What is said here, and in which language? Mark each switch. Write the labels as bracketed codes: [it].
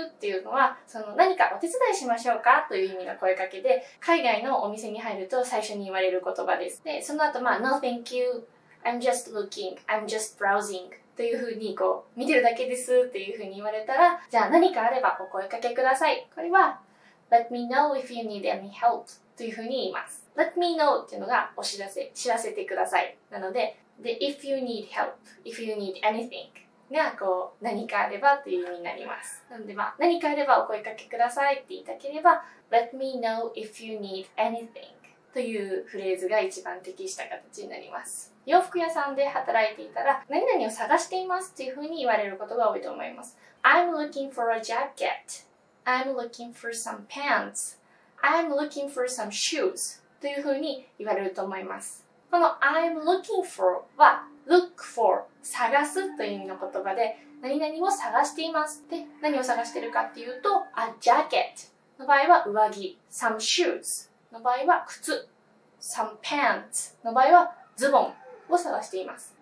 [ja] っていうのは、その何かお手伝いしましょうかという意味の声かけで、海外のお店に入ると最初に言われる言葉です。で、その後、まあ、 [en] No, thank you. I'm just looking. I'm just browsing. [ja] というふうに、こう、見てるだけですっていうふうに言われたら、じゃあ何かあればお声かけください。これは、 [en] Let me know if you need any help. [ja] というふうに言います。 [en] Let me know [ja] っていうのがお知らせ、知らせてください。 [en] なので、で、If you need help. If you need anything. [ja] が、こう、何かあればっていう意味になります。なので、まあ、何かあればお声掛けくださいって言いたければ、 [en] Let me know if you need anything [ja] というフレーズが一番適した形になります。洋服屋さんで働いていたら、何々を探していますっていうふうに言われることが多いと思います。 [en] I'm looking for a jacket. I'm looking for some pants. I'm looking for some shoes. [ja] というふうに言われると思います。この [en] I'm looking for [ja] は、look for 探すという意味の言葉で何々を探しています。で、何を探しているかっていうと a jacket の場合は上着、 some shoes の場合は靴、 some pants の場合はズボンを探しています。